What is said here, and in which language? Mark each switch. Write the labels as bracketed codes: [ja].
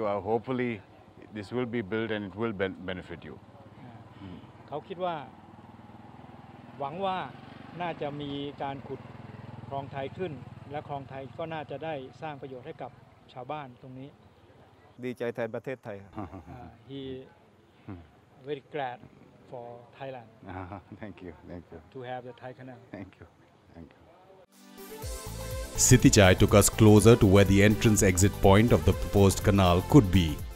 [en] Hopefully this will be built and it will benefit you. [th] เขาคิดว่าหวังว่าน่าจะมีการขุดคลองไทยขึ้นและคลองไทยก็น่าจะได้สร้างประโยชน์ให้กับชาวบ้านตรงนี้ดีใจแทนประเทศไทย [en] he very gladfor Thailand. Thank you. To have the Thai Canal. Thank you. Sitichai took us closer to where the entrance exit point of the proposed canal could be.